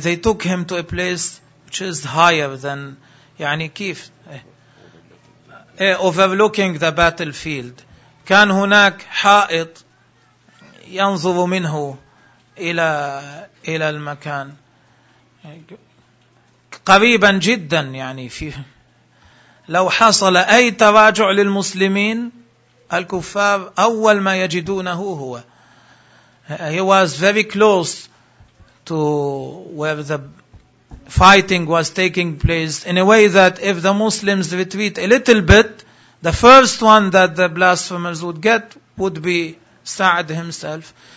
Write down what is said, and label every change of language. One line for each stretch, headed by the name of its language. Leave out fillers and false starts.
English: They took him to a place which is higher than
Arabic: يعني كيف
English: overlooking the battlefield.
Arabic: كان هناك حائط ينظر منه إلى المكان قريبا جدا, يعني في لو حصل أي تراجع للمسلمين الكفار أول ما يجدونه هو.
English: He was very close to where the fighting was taking place in a way that if the Muslims retreat a little bit, the first one that the blasphemers would get would be Sa'd himself.